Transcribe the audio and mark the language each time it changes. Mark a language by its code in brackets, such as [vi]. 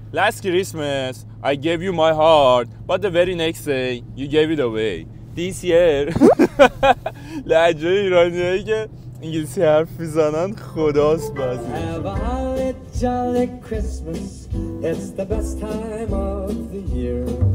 [en] Last Christmas, I gave you my heart, but the very next day, you gave it away. This year... [fa] لحجه ایرانی هایی که انگلیسی حرف میزنن خداست بازی. [en] Have a holly jolly Christmas, it's the best time of the year.